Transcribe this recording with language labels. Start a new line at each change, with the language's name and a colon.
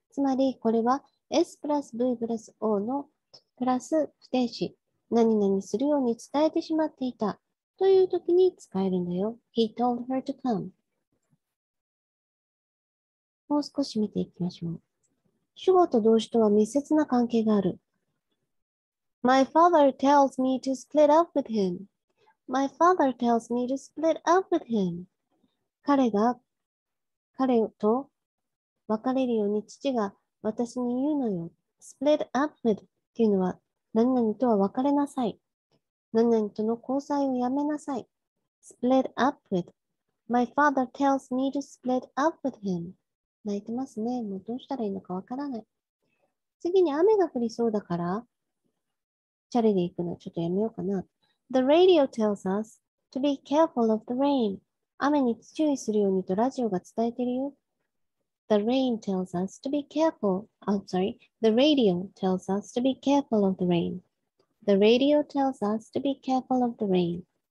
Japanese: つまり、これは、S プラス V プラス O の、プラス不定詞、何々するように伝えてしまっていたという時に使えるんだよ。
English: He told her to come.
Japanese: もう少し見ていきましょう。主語と動詞とは密接な関係がある。
English: My father tells me to split up with him. My father tells me to split up with him.
Japanese: 彼と別れるように父が私に言うのよ。
English: Split up with him.
Japanese: っていうのは、何々とは別れなさい。何々との交際をやめなさい。
English: Split up with. My father tells me to split up with him.
Japanese: 泣いてますね。もうどうしたらいいのかわからない。次に雨が降りそうだから、チャリで行くのはちょっとやめようかな。
English: The radio tells us to be careful of the rain.
Japanese: 雨に注意するようにとラジオが伝えてるよ。
English: The rain tells us to be careful. I'm sorry. The radio tells us to be careful of the rain. The radio tells us to be careful of the rain.